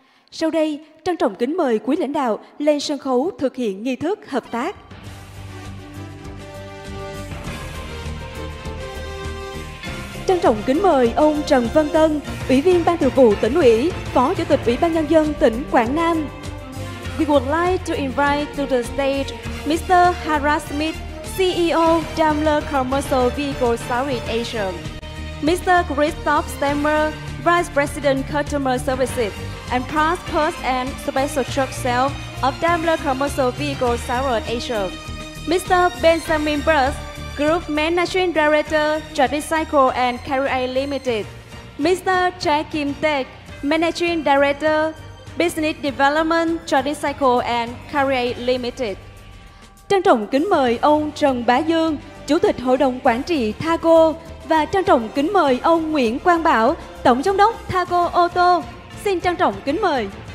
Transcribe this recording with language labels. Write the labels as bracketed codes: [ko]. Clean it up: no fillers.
[vi] Sau đây, trân trọng kính mời quý lãnh đạo lên sân khấu thực hiện nghi thức hợp tác. Trân trọng kính mời ông Trần Văn Tân, Ủy viên Ban Thường vụ Tỉnh ủy, Phó Chủ tịch Ủy ban Nhân dân tỉnh Quảng Nam. [en] We would like to invite to the stage Mr. Harald Smith, CEO Daimler Commercial Vehicle Southeast Asia, Mr. Christoph Stemmer, Vice President Customer Services and Past Purse and Special Truck Sales of Daimler Commercial Vehicle Southeast Asia, Mr. Benjamin Burr, Group Managing Director, Tradicycle and Carrier Limited, Mr. Jack Kim Tech, Managing Director, Business Development, Tradicycle and Carrier Limited. [vi] Trân trọng kính mời ông Trần Bá Dương, Chủ tịch Hội đồng Quản trị Thaco, và trân trọng kính mời ông Nguyễn Quang Bảo, Tổng Giám đốc Thaco ô tô. Xin trân trọng kính mời.